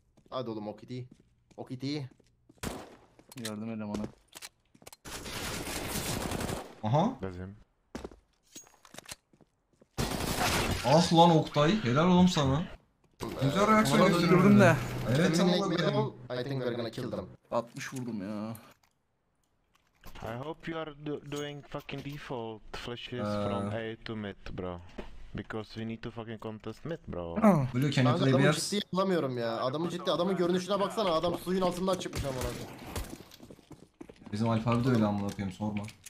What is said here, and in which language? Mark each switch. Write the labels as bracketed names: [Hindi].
[Turkish] Hadi oğlum okidi. Okidi. Yardım edelim ona. Aha. Bezim. Ah lan Oktay, helal oğlum sana. Güzel reaksiyon gösteriyorum de. Evet tamam. [English] I think we're gonna kill them. [Turkish] 60 vurdum ya. [English] I hope you are doing fucking default flashes from A to mid bro. Because we need to fucking contest mid bro. Blue can you play [Turkish] bir yer? Adamı ciddi anlamıyorum ya. Adamı ciddi, adamın görünüşüne baksana. Adam suyun altından çıkmış ama. Bizim Alfa abi de öyle amına koyayım, sorma.